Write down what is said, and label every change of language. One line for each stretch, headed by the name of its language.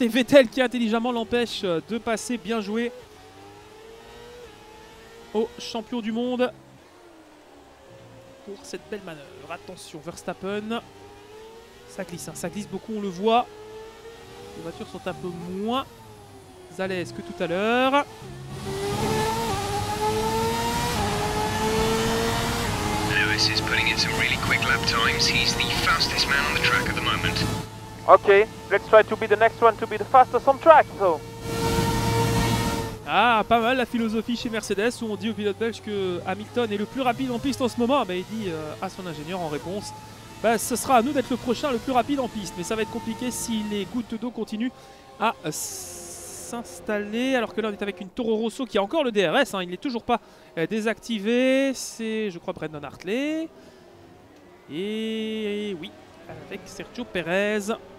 French: Et Vettel qui intelligemment l'empêche de passer. Bien joué au champion du monde pour cette belle manœuvre. Attention, Verstappen. Ça glisse, hein, ça glisse beaucoup, on le voit. Les voitures sont un peu moins à l'aise que tout à l'heure.
English: Is putting in some really quick lap times. He's the fastest man on the track at the moment. Okay, let's try to be the next one to be the fastest on track. So.
French: Ah, pas mal la philosophie chez Mercedes où on dit au pilote belge que Hamilton est le plus rapide en piste en ce moment. Bah, il dit à son ingénieur en réponse, bah, ce sera à nous d'être le prochain le plus rapide en piste. Mais ça va être compliqué si les gouttes d'eau continuent à s'installer, alors que là on est avec une Toro Rosso qui a encore le DRS, hein, il n'est toujours pas désactivé, c'est je crois Brandon Hartley et oui avec Sergio Perez.